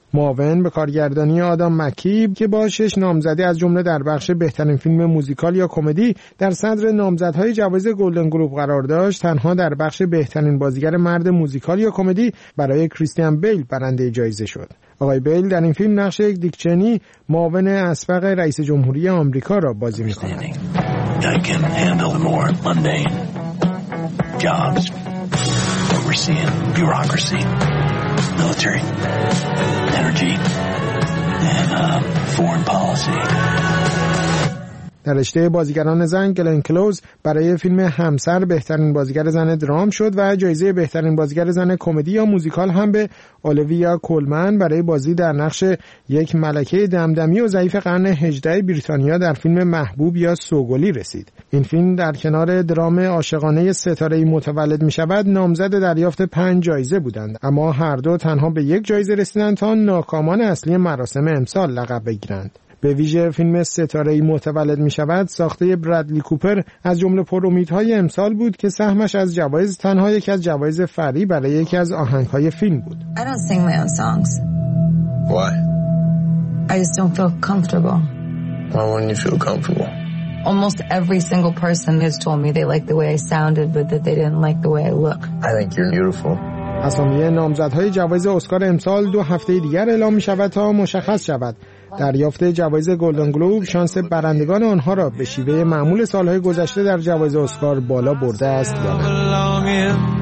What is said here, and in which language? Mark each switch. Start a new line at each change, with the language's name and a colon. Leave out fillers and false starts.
Persian: معاون به کارگردانی آدام مکیب که با 6 نامزدی از جمله در بخش بهترین فیلم موزیکال یا کمدی در صدر نامزدهای جوایز گلدن گلوب قرار داشت، تنها در بخش بهترین بازیگر مرد موزیکال یا کمدی برای کریستیان بیل برنده جایزه شد. آقای بیل در این فیلم نقش یک دیک چنی، معاون اسبق رئیس جمهوری آمریکا را بازی می‌کند.
English: I can handle the more mundane jobs. Overseeing bureaucracy, military, energy, and foreign policy.
Persian: در رشته بازیگران زن، گلن کلوز برای فیلم همسر بهترین بازیگر زن درام شد و جایزه بهترین بازیگر زن کمدی یا موزیکال هم به اولیویا کولمن برای بازی در نقش یک ملکه دمدمی و ضعیف قرن 18 بریتانیا در فیلم محبوب یا سوگلی رسید. این فیلم در کنار درام عاشقانه ستاره‌ای متولد می‌شود نامزد دریافت 5 جایزه بودند، اما هر دو تنها به یک جایزه رسیدند تا ناکامان اصلی مراسم امسال لقب بگیرند. به ویژه فیلم ستاره‌ای متولد می‌شود ساخته برادلی کوپر از جمله پرامیدهای امسال بود که سهمش از جوایز تنها یکی از جوایز فری برای یکی از آهنگ‌های فیلم بود.
English: I don't sing my own songs. Why? I just don't feel comfortable. Why wouldn't you feel comfortable? Almost every single person has told me they liked the way I sounded, but that they didn't like the way I look. I think you're beautiful.
Persian: اسامی نامزدهای جوایز اسکار امسال دو هفته دیگر اعلام می‌شود تا مشخص شود. دریافت جوایز گلدن گلوب شانس برندگان آنها را به شیوه معمول سال‌های گذشته در جوایز اسکار بالا برده است یا نه.